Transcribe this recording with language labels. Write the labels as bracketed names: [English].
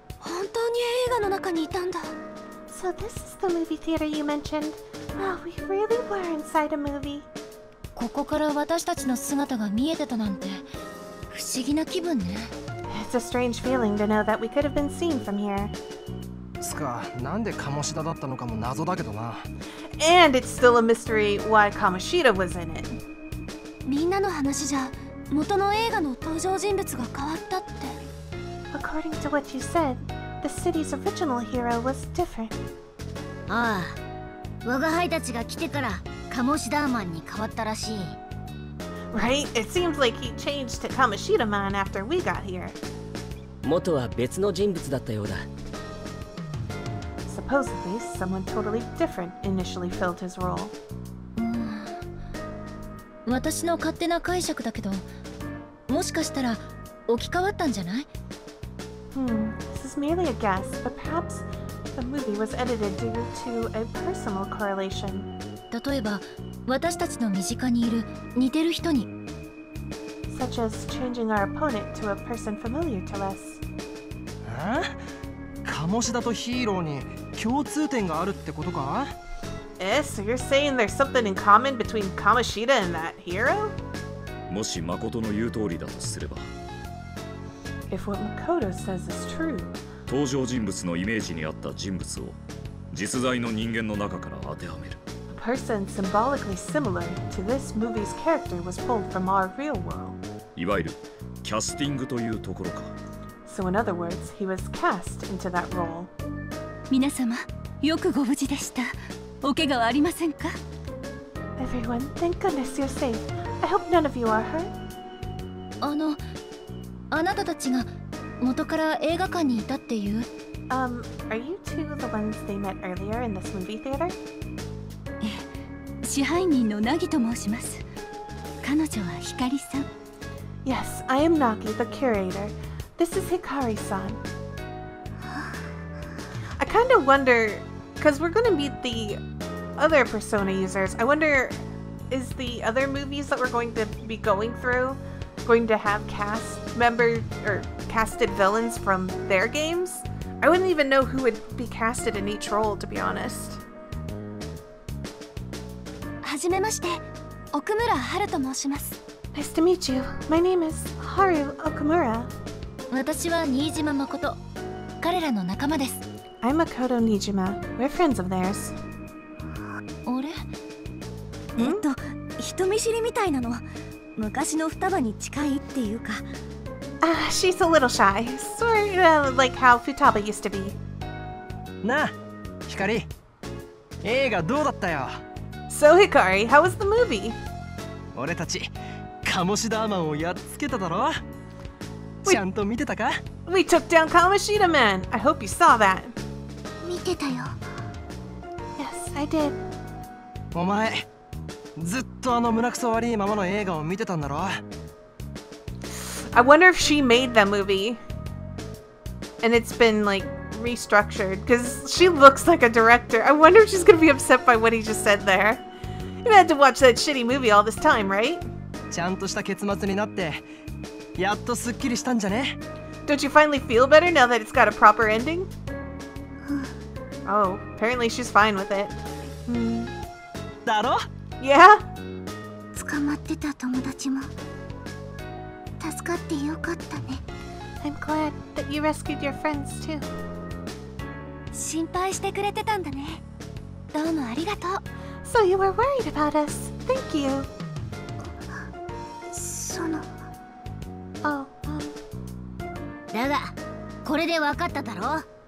[English] So this is the movie theater you mentioned. Wow, we really were inside a movie. [Japanese] ここから私たちの姿が見えてたなんて不思議な気分ね。 [English] It's a strange feeling to know that we could have been seen from here. [Japanese] つか、なんでカモシダだったのかも謎だけどな。 [English] And it's still a mystery why カモシダ was in it. [Japanese] みんなの話じゃ、元の映画の登場人物が変わったって。 [English] According to what you said,The city's original hero was different. [Japanese] ああ、我が輩たちが来てからカモシダーマンに変わったらしい。 [English] Right? It seems like he changed to Kamoshida Man after we got here. [Japanese] 元は別の人物だったようだ。 [English] Supposedly, someone totally different initially filled his role. [Japanese] 私の勝手な解釈だけど、もしかしたら置き換わったんじゃない [English] Merely a guess, but perhaps the movie was edited due to a personal correlation. [Japanese] 例えば、私たちの身近にいる似てる人に。 [English] Such as changing our opponent to a person familiar to us. [Japanese] カモシダとヒーローに共通点があるってことか? [English] So you're saying there's something in common between Kamoshida and that hero? [Japanese] もし誠の言う通りだとすれば。 [English] If what Makoto says is true, [Japanese] 登場人物のイメージに合った人物を実在の人間の中から当てはめる。 [English] A person symbolically similar to this movie's character was pulled from our real world. [Japanese] いわゆるキャスティングというところか。 [English] So in other words, he was cast into that role. [Japanese] 皆様、よくご無事でした。おけがはありませんか? [English] Everyone, thank goodness you're safe. I hope none of you are hurt. [Japanese] あなたたちが元から映画館にいたっていう [English] are you two the ones they met earlier in this movie theater? [Japanese] 支配人のナギと申します。彼女はヒカリさん。 [English] Yes, I am Naki, the curator. This is Hikari-san. I kind of wonder, because we're going to meet the other persona users, I wonder, is the other movies that we're going to be going through? Going to have cast member or casted villains from their games? I wouldn't even know who would be casted in each role, to be honest. [Japanese] Hajimemashite, Okumura Haru to moshimasu. [English] Nice to meet you. My name is Haru Okumura. [Japanese] Watashi wa Niijima Makoto. Karera no nakama desu. [English] I'm Makoto Niijima. We're friends of theirs. [Japanese] Ore? Hitomishiri mitai na no. 昔の双葉に近いっていうか。 [English] She's a little shy. Sort of like how Futaba used to be. [Japanese] なあ、ヒカリ。映画どうだったよ? [English] So Hikari, how was the movie? [Japanese] 俺たち、カモシダーマンをやっつけただろ。ちゃんと見てたか？ [English] We took down Kamoshida Man. I hope you saw that. [Japanese] 見てたよ。 [English] Yes, I did. [Japanese] お前、ずっとあの胸くそ悪いままの映画を見てたんだろ。 [English] I wonder if she made that movie. And it's been like... restructured because she looks like a director. I wonder if she's gonna be upset by what he just said there. You had to watch that shitty movie all this time, right? [Japanese] ちゃんとした結末になってやっとすっきりしたんじゃね? [English] Don't you finally feel better now that it's got a proper ending? Oh, apparently she's fine with it. [Japanese] だろ? [English] Yeah? [Japanese] 捕まってた友達も助かってよかったね。 [English] I'm glad that you rescued your friends too. [Japanese] 心配してくれてたんだね。どうもありがとう。 [English] So you were worried about us. Thank you. [Japanese] その… [English] Oh, [Japanese] だが、これでわかっただろう。